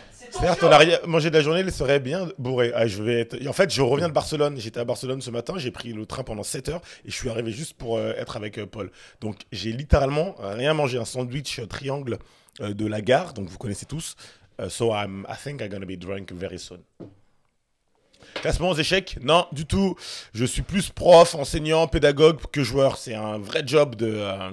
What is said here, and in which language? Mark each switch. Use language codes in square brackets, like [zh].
[fr] Certes, on a mangé de la journée, il serait bien bourré. Ah, je vais être... En fait, je reviens de Barcelone. J'étais à Barcelone ce matin, j'ai pris le train pendant 7 heures et je suis arrivé juste pour être avec Paul. Donc, j'ai littéralement rien mangé. Un sandwich triangle de la gare, donc vous connaissez tous. [en] So, I think I'm gonna be drunk very soon. [fr] Classement aux échecs? Non, du tout. Je suis plus prof, enseignant, pédagogue que joueur. C'est un vrai job de...